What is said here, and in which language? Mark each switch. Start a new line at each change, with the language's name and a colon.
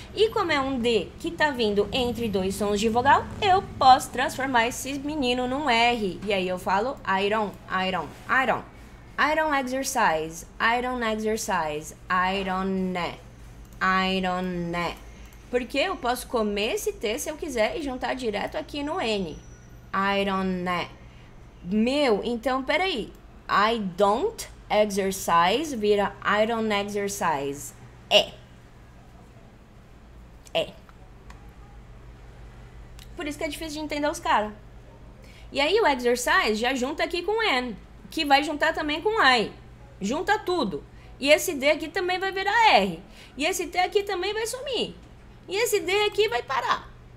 Portuguese: E como é um D que tá vindo entre dois sons de vogal, eu posso transformar esse menino num R. E aí eu falo
English: iron, iron, iron. Iron exercise, iron exercise, iron né, iron né.
Portuguese: Porque eu posso comer esse T se eu quiser e juntar direto aqui no N.
English: Iron
Portuguese: né. Meu, então peraí.
English: I don't exercise vira I don't exercise.
Portuguese: É. É. Por isso que é difícil de entender os caras. E aí o exercise já junta aqui com N, que vai juntar também com I. Junta tudo. E esse D aqui também vai virar R. E esse T aqui também vai sumir. E esse D aqui vai parar.